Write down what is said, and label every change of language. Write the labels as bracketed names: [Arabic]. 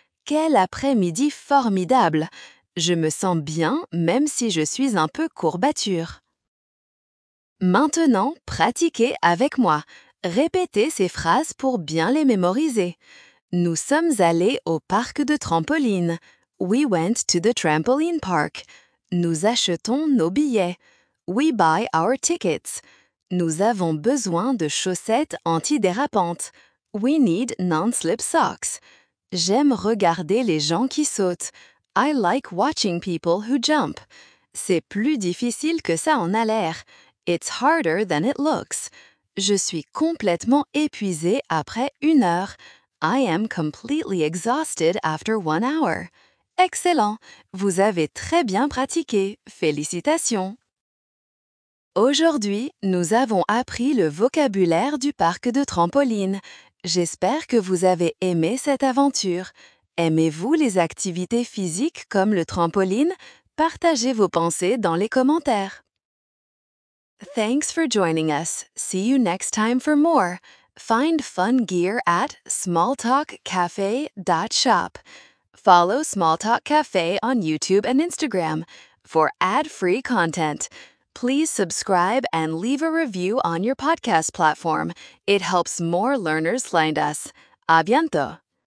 [French] Quel après-midi formidable! Je me sens bien, même si je suis un peu courbature. Maintenant, pratiquez avec moi. Répétez ces phrases pour bien les mémoriser. Nous sommes allés au parc de trampoline. [English] We went to the trampoline park. [French] Nous achetons nos billets. [English] We buy our tickets. [French] Nous avons besoin de chaussettes antidérapantes. [English] We need non-slip socks. [French] J'aime regarder les gens qui sautent. [English] I like watching people who jump. [French] C'est plus difficile que ça en a l'air. [English] It's harder than it looks. [French] Je suis complètement épuisée après une heure. [English] I am completely exhausted after one hour. [French] Excellent! Vous avez très bien pratiqué. Félicitations! Aujourd'hui, nous avons appris le vocabulaire du parc de trampoline. J'espère que vous avez aimé cette aventure. Aimez-vous les activités physiques comme le trampoline? Partagez vos pensées dans les commentaires. [English] Thanks for joining us. See you next time for more. Find fun gear at smalltalkcafe.shop. Follow Smalltalk Cafe on YouTube and Instagram for ad-free content. Please subscribe and leave a review on your podcast platform. It helps more learners find us. [French] A bientôt!